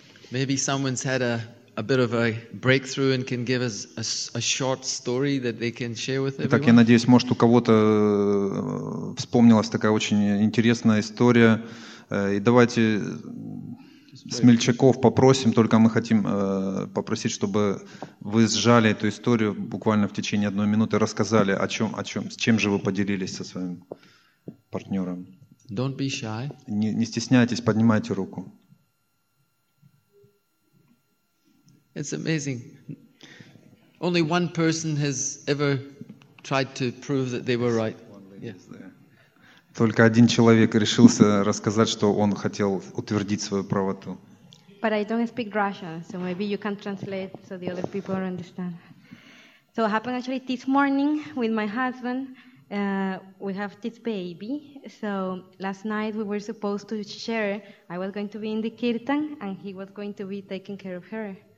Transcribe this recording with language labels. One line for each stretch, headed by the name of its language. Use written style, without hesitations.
English: Maybe someone's had a bit of a breakthrough and can give us a short story that they can share with everyone.
Russian: Итак, я надеюсь, может, у кого-то вспомнилась такая очень интересная история. И давайте смельчаков попросим, только мы хотим попросить, чтобы вы сжали эту историю буквально в течение одной минуты, рассказали, о чем, с чем же вы поделились со своим партнером.
English: Don't be shy.
Russian: Не стесняйтесь, поднимайте руку.
English: It's amazing. Only one person has ever tried to prove that they were right.
Russian: Только один человек решился рассказать, что он хотел утвердить свою правоту.
English: But I don't speak Russian, so maybe you can translate so the other people understand. So it happened actually this morning with my husband. We have this baby. So last night we were supposed to share. I was going to be in the kirtan and he was going to be taking care of her.